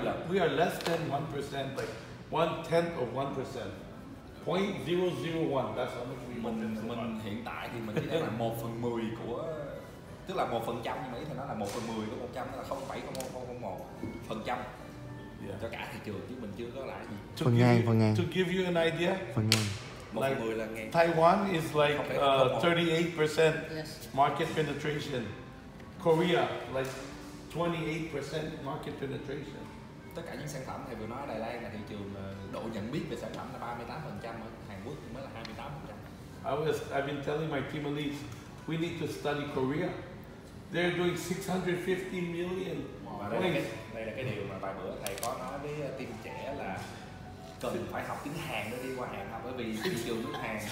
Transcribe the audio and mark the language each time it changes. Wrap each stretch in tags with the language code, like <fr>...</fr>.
<en>We are less than 1%, like 1/10 of 1%, 0.001. That's how much we mình want mình one.</en> <vi>Hiện tại thì mình chỉ đang là 1/10 của tức là 1%, nhưng mà ý thì nó là 1/10 của 100, là 0.0001% cho cả thị trường, chứ mình chưa có lãi gì. Phần ngàn.</vi> <en>To give you an idea.</en> <vi>Phần ngàn.</vi> <en>Like Taiwan is like 38% market penetration. Korea like 28% market penetration.</en> <vi>Tất cả những sản phẩm thầy vừa nói ở Đài Loan là thị trường độ nhận biết về sản phẩm là 38%, ở Hàn Quốc thì mới là 28%.</vi> <en>I've been telling my team elites, we need to study Korea. They're doing 650 million.</en> <vi>Đây là cái điều mà vài bữa thầy có nói với team trẻ là cần phải học tiếng Hàn để đi qua Hàn ha, bởi vì thị trường nước Hàn</vi>